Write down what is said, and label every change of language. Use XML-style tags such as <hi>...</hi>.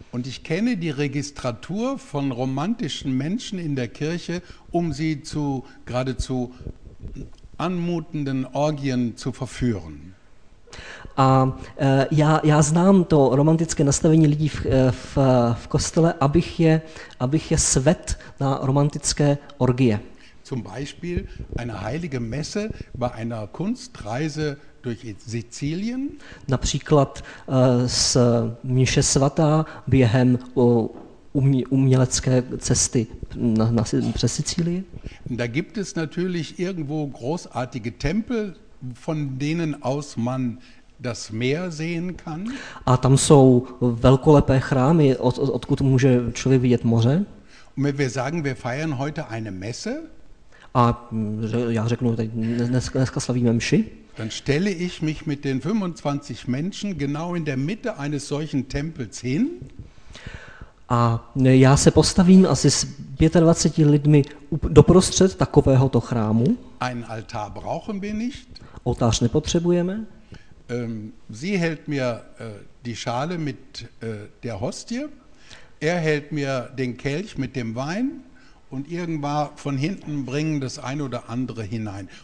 <de>Und ich kenne die Registratur von romantischen Menschen in der Kirche, um sie zu geradezu anmutenden Orgien zu verführen.</de> <cs>A já znám to romantické nastavení lidí v kostele, abych je svet na romantické orgie.</cs> <de>Zum Beispiel eine heilige Messe bei einer Kunstreise durch Sizilien.</de> <cs>Například s mše svatá během umělecké cesty přes Sicílii.</cs> <de>Da gibt es natürlich irgendwo großartige Tempel, von denen aus man das Meer sehen kann.</de> <cs>A tam jsou velkolepé chrámy, odkud může člověk vidět moře.</cs> <de>Und wir sagen, wir feiern heute eine Messe.</de> <cs>A já řeknu, dneska slavíme mši.</cs> <de>Dann stelle ich mich mit den 25 Menschen genau in der Mitte eines solchen Tempels hin.</de> <cs>A já se postavím asi s 25 lidmi doprostřed takovéhoto chrámu.</cs> <de>Ein Altar brauchen wir nicht.</de> <cs>Oltář nepotřebujeme.</cs> <de>Sie hält mir die Schale mit der Hostie. Er hält mir den Kelch mit dem Wein. Und irgendwann von hinten bringen das ein oder andere hinein.</de>